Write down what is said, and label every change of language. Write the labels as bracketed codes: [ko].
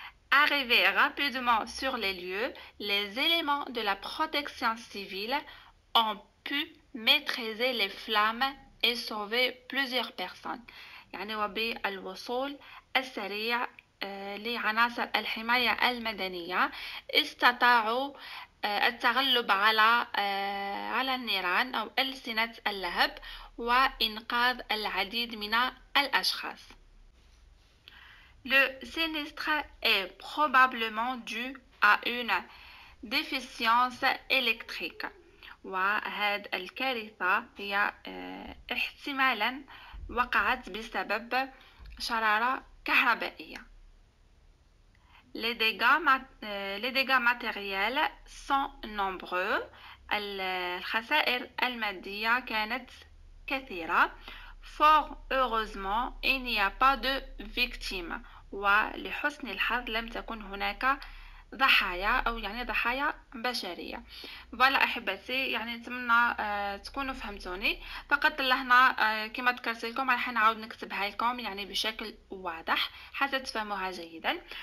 [fr] Arrivés rapidement sur les lieux, les éléments de la protection civile ont pu maîtriser les flammes et sauver plusieurs personnes. [ar] يعني وبي الوصول السريع لعناصر الحماية المدنية استطاعوا التغلب على على النيران أو ألسنة اللهب وإنقاذ العديد من الأشخاص. [fr] Le sinistre est probablement dû à une déficience électrique. [ar] وهذا الكارثة هي احتمالا وقعت بسبب شرارة كهربائية. [fr] Les dégâts matériels sont nombreux. [ar] الخسائر المادية كانت كثيرة. [fr] Fort heureusement, il n'y a pas de victimes. [ar] ولحسن الحظ لم تكن هناك ضحايا أو يعني ضحايا بشرية. فوالا أحبتي يعني نتمنى تكونوا فهمتوني. فقط لهنا كما ذكرت لكم راح نعاود نكتبها لكم يعني بشكل واضح حتى تفهموها جيدا.